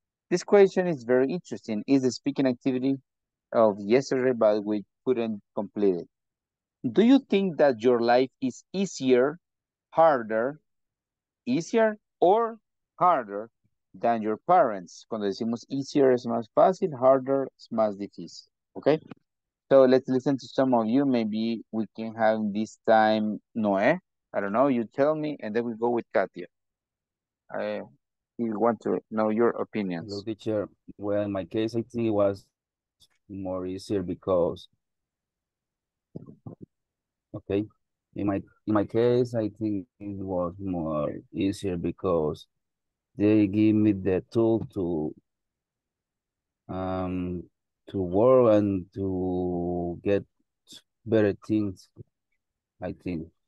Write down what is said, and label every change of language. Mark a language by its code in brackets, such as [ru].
[en] This question is very interesting. It's the speaking activity of yesterday, but we couldn't complete it. Do you think that your life is easier, harder, easier or harder than your parents? [es] Cuando decimos easier es más fácil, harder es más difícil, okay? [en] So let's listen to some of you. Maybe we can have this time, Noé. I don't know, you tell me, and then we go with Katia. We want to know your opinions. Hello, teacher. Well, in my case, I think it was more easier because, okay, in my case, I think it was more easier because they give me the tool to work and to get better things, I think.